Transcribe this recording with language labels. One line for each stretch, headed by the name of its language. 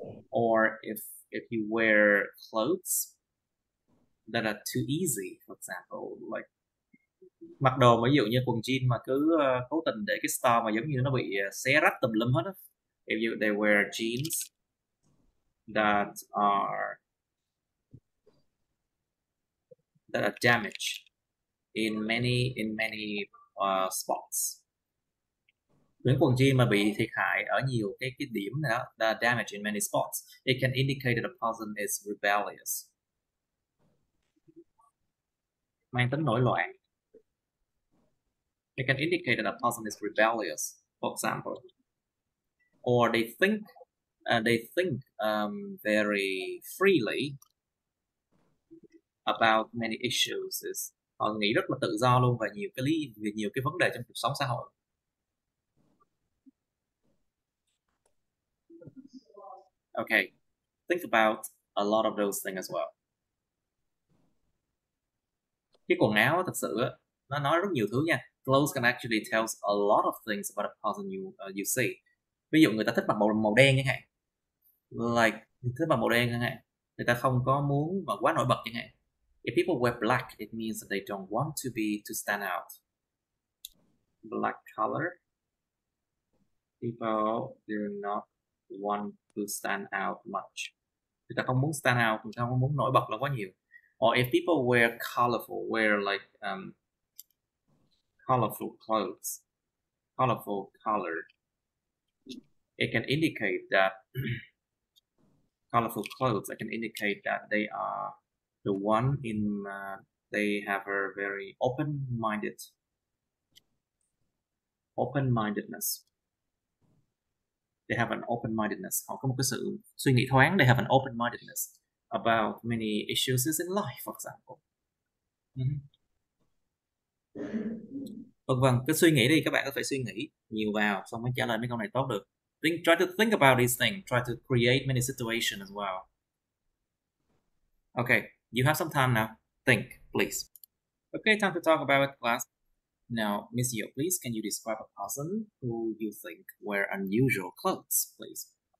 English: Or if you wear clothes that are too easy, for example, like
Vietnamese: mặc đồ ví dụ như quần jean mà cứ cố tình để cái style mà giống như nó bị xé rách tùm lum hết á.
English: If you they wear jeans that are damaged in many spots.
Vietnamese: Những quần jean mà bị thiệt hại ở nhiều cái điểm đó,
English: that are damaged in many spots, it can indicate that a person is rebellious.
Vietnamese: Mang tính nổi loạn.
English: It can indicate that a person is rebellious, for example. Or they think very freely about many issues.
Vietnamese: Họ nghĩ rất là tự do luôn về nhiều cái vấn đề trong cuộc sống xã hội.
English: Okay, think about a lot of those things as well.
Vietnamese: Cái quần áo thật sự nó nói rất nhiều thứ nha.
English: Clothes can actually tell a lot of things about a person you see.
Vietnamese: Ví dụ người ta thích mặc màu đen chẳng hạn. Like, thích mặc màu đen chẳng hạn. Người ta không có muốn mà quá nổi bật chẳng hạn.
English: If people wear black, it means that they don't want to stand out. Black color. People do not want to stand out much.
Vietnamese: Người ta không muốn stand out, người ta không muốn nổi bật là quá nhiều.
English: Or if people wear colorful clothes, colorful color, it can indicate that colorful clothes, it can indicate that they are the one in, they have a very open-mindedness. They have an open-mindedness.
Vietnamese: Họ có một cái sự suy nghĩ thoáng,
English: they have an open-mindedness about many issues in life, for example. Mm-hmm.
Vietnamese: Vâng, cứ suy nghĩ đi, các bạn có phải suy nghĩ nhiều vào xong mới trả lời mấy câu này tốt được.
English: Try to think about these things, try to create many situations as well. Okay, you have some time now. Think, please. Okay, time to talk about class. Now, Miss Yo, please, can you describe a person who you think wear unusual clothes, please?